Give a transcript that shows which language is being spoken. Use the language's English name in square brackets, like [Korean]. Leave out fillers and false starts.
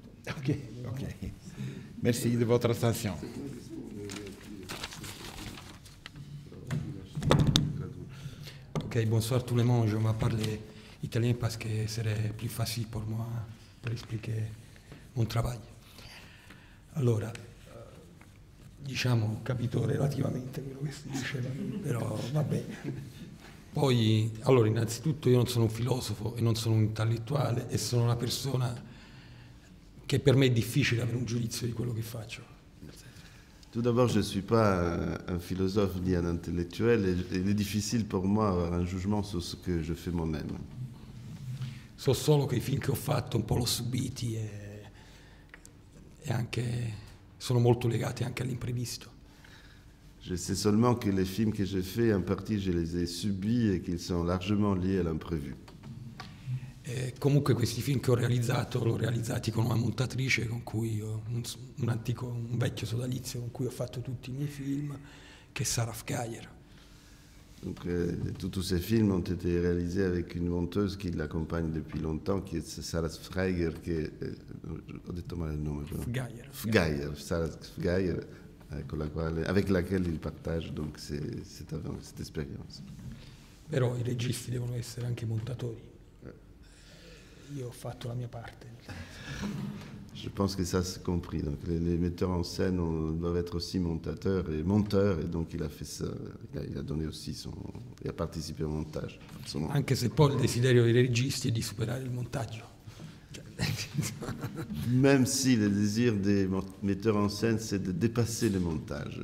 [French] Ok. Merci de votre attention. Ok, bonsoir tout le monde. Je vais parler italien parce que serait plus facile pour moi pour expliquer mon travail. [Italian] Alors, diciamo, ho capito relativamente quello che si diceva, però va bene. Poi, allora, innanzitutto io non sono un filosofo e non sono un intellettuale e sono una persona che per me è difficile avere un giudizio di quello che faccio. [French] Tout d'abord, je ne suis pas un philosophe ni un intellectuel et il est difficile pour moi avoir un jugement sur ce que je fais moi-même. [Italian] So solo che i film che ho fatto un po' l'ho subiti e anche sono molto legati anche all'imprevisto. [French] Je sais seulement que les films que j'ai fait, en partie, je les ai subis et qu'ils sont largement liés à l'imprévu. [Italian] E comunque questi film che ho realizzato l'ho realizzati con una montatrice con cui ho un vecchio sodalizio con cui ho fatto tutti i miei film, che è Sarah Fkayer. [French] Donc, tutti ces films ont été réalisés avec une monteuse qui l'accompagne depuis longtemps, qui est Sarah Fkayer, [Italian] che ho detto male il nome, però. [French] Fkayer, Sarah Fkayer, avec laquelle il partage donc cette expérience. [Italian] Però i registi devono essere anche montatori. Io ho fatto la mia parte. [French] Je pense que ça c'est compris. Donc les metteurs en scène doivent être aussi montateurs et monteurs, et donc il a fait ça, il a donné aussi son, il a participé au montage. Forcément. [Italian] Anche se poi il desiderio dei registi è di superare il montaggio. [French] Même si le désir des metteurs en scène c'est de dépasser le montage.